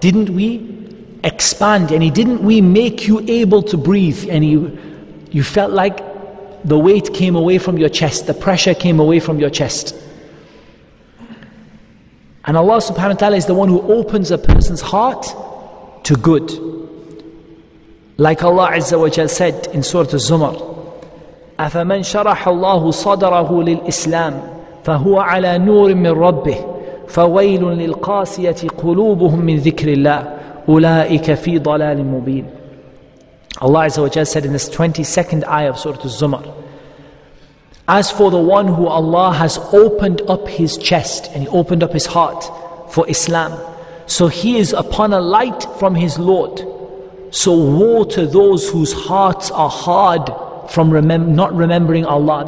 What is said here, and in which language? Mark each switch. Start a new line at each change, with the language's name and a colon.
English: Didn't we expand? And didn't we make you able to breathe? And you felt like the weight came away from your chest, the pressure came away from your chest. And Allah subhanahu wa ta'ala is the one who opens a person's heart to good. Like Allah Azza wa Jal said in Surah Az-Zumar,
Arabic: أَفَمَنْ شَرَحَ اللَّهُ صَدَرَهُ لِلْإِسْلَامِ فَهُوَ عَلَى نُورٍ مِّنْ رَبِّهِ فَوَيْلٌ لِلْقَاسِيَةِ قُلُوبُهُمْ مِّنْ ذِكْرِ اللَّهِ أُولَٰئِكَ فِي ضَلَالٍ مُّبِينٍ.
English: Allah Azza wa Jal said in this 22nd ayah of Surah Az-Zumar, as for the one who Allah has opened up his chest and he opened up his heart for Islam, so he is upon a light from his Lord. So woe to those whose hearts are hard from not remembering Allah.